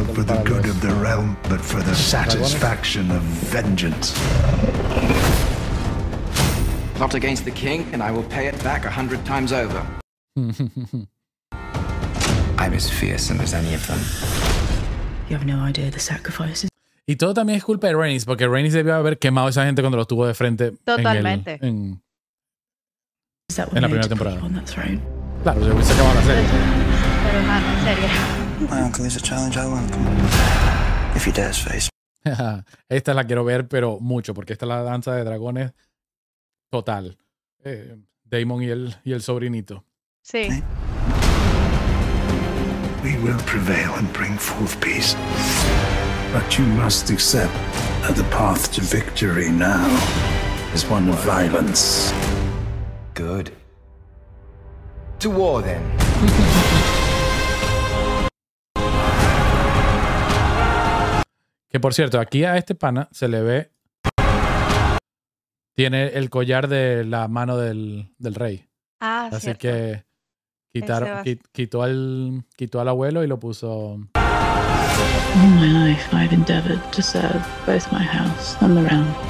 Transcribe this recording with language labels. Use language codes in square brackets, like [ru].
[en] for the good of the realm, but for the satisfaction of vengeance. Not against the king, and I will pay it back 100 times over. I'm as fearsome as any of them. You have no idea the sacrifices. [es] Y todo también es culpa de Rhaenys, porque Rhaenys debió haber quemado a esa gente cuando los tuvo de frente. Totalmente. En la primera temporada. Claro, se hubiese acabado la serie. Pero hermano, en serio. [en] My uncle is a challenge I welcome. If he dares face. [es] Esta la quiero ver, pero mucho, porque esta es la danza de dragones total. Daemon y el sobrinito. Sí. [en] We will prevail and bring forth peace. But you must accept that the path to victory now is one of violence. Good. To war then. [es] Que por cierto, aquí a este pana se le ve. Tiene el collar de la mano del rey. Ah, así cierto. Que quitó al abuelo y lo puso. [en] In my life, I've endeavored to serve both my house and the realm.